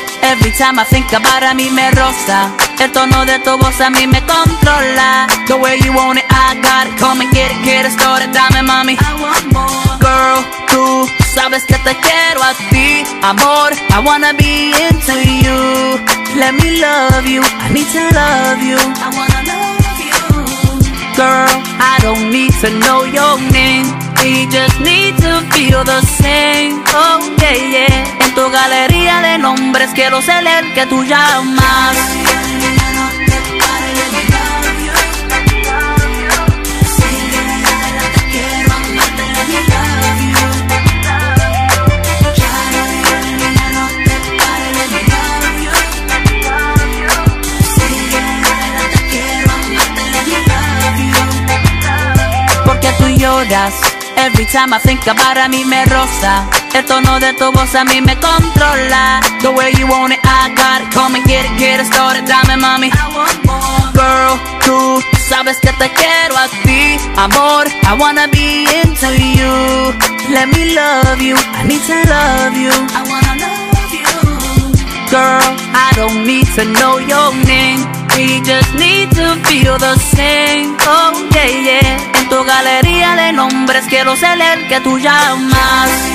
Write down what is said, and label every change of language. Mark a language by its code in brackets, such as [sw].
[en] Every time I think about it, [es] a mí me rosa. El tono de tu voz a mí me controla. [en] The way you want it, I got it. Come and get it, get it started, [es] dame mami. [en] I want more. [es] Girl, tú sabes que te quiero a ti. [en] Amor, I wanna be into you. Let me love you, I need to love you. I wanna love you. Girl, I don't need to know your name. We just need to feel the same. Oh, yeah, yeah. [es] En tu galería de nombres quiero ser el que tú llamas. [en] Every time I think about it, [es] a mí me rosa. El tono de tu voz a mí me controla. [en] The way you want it, I got it. Come and get it started, [es] dame mami. [en] I want more. [es] Girl, tú sabes que te quiero a ti. [en] Amor, I wanna be into you. Let me love you, I need to love you. I wanna love you. Girl, I don't need to know your name. We just need to feel the same. Oh, yeah, yeah. [es] Tu galería de nombres, quiero ser el que tú llamas.